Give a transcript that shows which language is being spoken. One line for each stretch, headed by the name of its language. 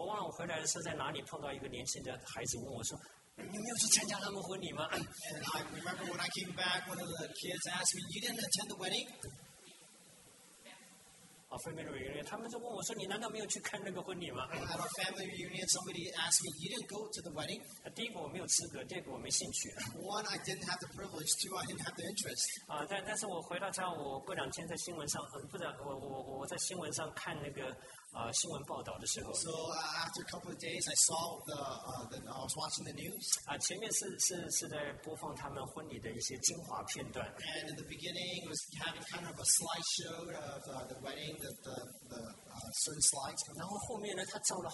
Chinese: 我忘了我回来的时候在哪里碰到一个年轻的孩子问我说。
English: And I remember when I came back, one of the kids asked me, you didn't attend the wedding? At our family reunion, somebody asked me, you didn't go to the wedding?
Chinese: 第一个我没有资格，第二个我没兴趣。
English: One, I didn't have the privilege. Two, I didn't have the interest.
Chinese: 但是我回到家，我过两天在新闻上，不是，我在新闻上看那个。新闻报道的时候，
English: So after a couple of days, I saw I was watching the news.
Chinese: 前面是在播放他们婚礼的一些精华片段。
English: And in the beginning, it was having kind of a slideshow of the wedding, certain slides.